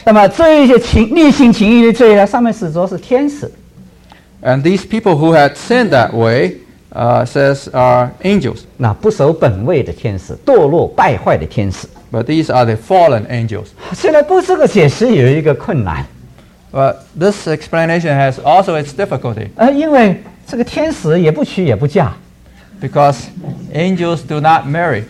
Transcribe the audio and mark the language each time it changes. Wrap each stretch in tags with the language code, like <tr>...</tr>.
<zh>那么这一些情烈性情欲的罪呢，上面指着是天使。</zh> <en>And these people who had sinned that way, says are angels.</en> <zh>那不守本位的天使，堕落败坏的天使。</zh> <en>But these are the fallen angels.</en> <zh>虽然不这个解释有一个困难。</zh> <en>But this explanation has also its difficulty.</en> <zh>因为这个天使也不娶也不嫁。</zh> <en>Because angels do not marry.</en>